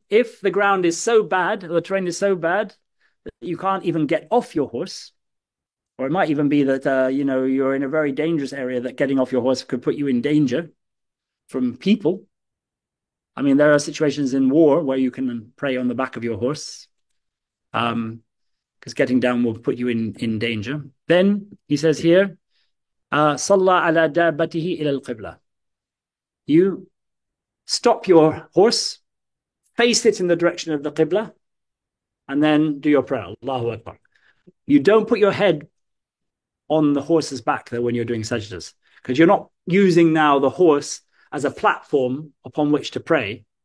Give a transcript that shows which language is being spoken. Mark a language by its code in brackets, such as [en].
[en] If the ground is so bad, the terrain is so bad, that you can't even get off your horse, or it might even be that, you know, you're in a very dangerous area that getting off your horse could put you in danger from people. I mean, there are situations in war where you can pray on the back of your horse, because getting down will put you in danger. Then he says here, [ar] صَلَّى عَلَى دَابَّتِهِ إِلَى الْقِبْلَةِ. [en] You stop your horse, face it in the direction of the Qibla, and then do your prayer. Allahu Akbar. You don't put your head on the horse's back though when you're doing sajdas, because you're not using now the horse as a platform upon which to pray.